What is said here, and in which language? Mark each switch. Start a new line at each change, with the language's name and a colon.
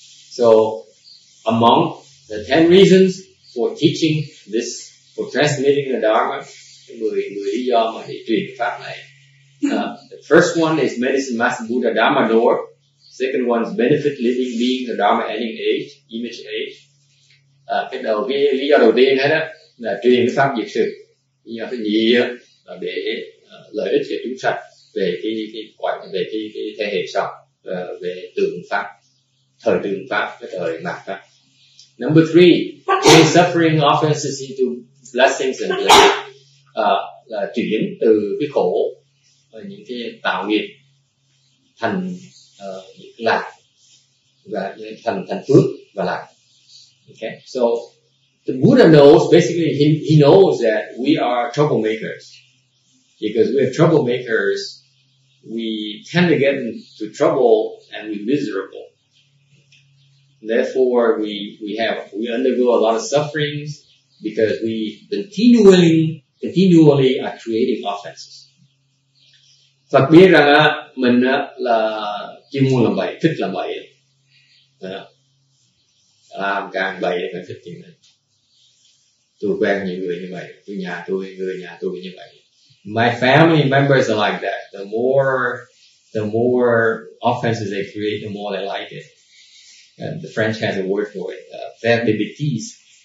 English: So, among the 10 reasons for teaching this, for transmitting the Dharma, the first one is Medicine Master Buddha Dharma Door. Second one is Benefit Living Being, the Dharma Ending Age, Image Age.
Vietnamese: Cái đầu cái lý do đầu tiên hết á là truyền pháp diệt sự. Lý do thứ nhì để lợi ích cho chúng sanh về cái thế hệ sau, về tượng pháp, thời tượng pháp, cái thời mạt pháp.
English: Number three, the suffering offenses into blessings and blessings,
Vietnamese: là chuyển từ cái khổ, những cái tạo nghiệp thành lạc và thành phước và lạc.
English: Okay, so the Buddha knows, basically he knows that we are troublemakers. Because we are troublemakers, we tend to get into trouble and we're miserable. Therefore, we undergo a lot of sufferings, because we continually are creating offenses.
Vietnamese: Phật biết rằng mình là chuyên môn làm bậy, thích làm bậy, làm càng bậy thì càng thích chuyện này. Tôi quen nhiều người như vậy, tôi nhà tôi, người nhà tôi như vậy.
English: My family members are like that. The more offenses they create, the more they like it. And the French has a word for it, faire bêtises.